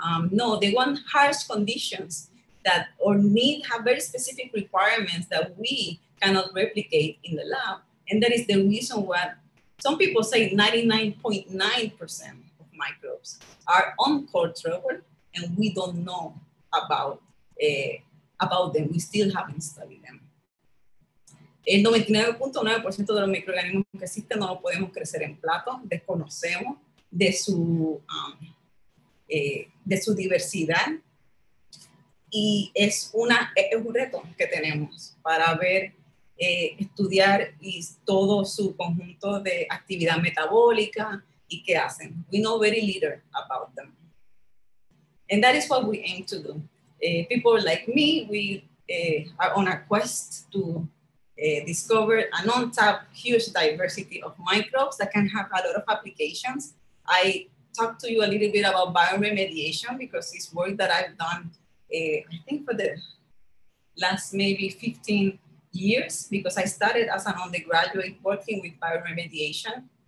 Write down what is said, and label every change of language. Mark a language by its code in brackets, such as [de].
[en] No, they want harsh conditions that or need have very specific requirements that we cannot replicate in the lab. And that is the reason why some people say 99.9% of microbes are unculturable and we don't know about them. We still haven't studied them. [es] El 99.9% de los microorganismos que existen no lo podemos crecer en plato, desconocemos de su diversidad. y es una es un reto que tenemos para ver estudiar y todo su conjunto de actividad metabólica y qué hacen. [en] We know very little about them. And that is what we aim to do. People like me, we are on a quest to discover an untapped huge diversity of microbes that can have a lot of applications. I talked to you a little bit about bioremediation because it's work that I've done, I think for the last maybe 15 years, because I started as an undergraduate working with bioremediation.